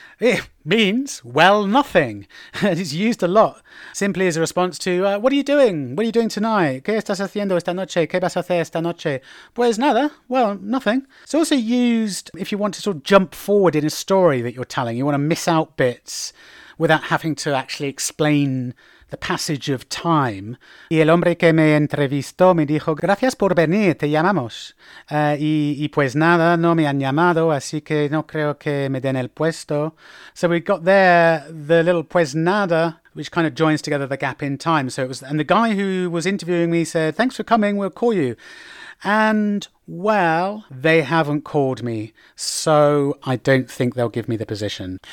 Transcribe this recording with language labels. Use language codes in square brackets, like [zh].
[en] It means, well, nothing. It's used a lot, simply as a response to, what are you doing? What are you doing tonight? [es] ¿Qué estás haciendo esta noche? ¿Qué vas a hacer esta noche? [en] Pues nada, well, nothing. It's also used if you want to sort of jump forward in a story that you're telling. You want to miss out bits without having to actually explain the passage of time. [es] Y el hombre que me entrevistó me dijo, gracias por venir, te llamamos. Y pues nada, no me han llamado, así que no creo que me den el puesto. [en] So we got there, the little pues nada, which kind of joins together the gap in time. So it was, and the guy who was interviewing me said, thanks for coming, we'll call you. And, well, they haven't called me, so I don't think they'll give me the position.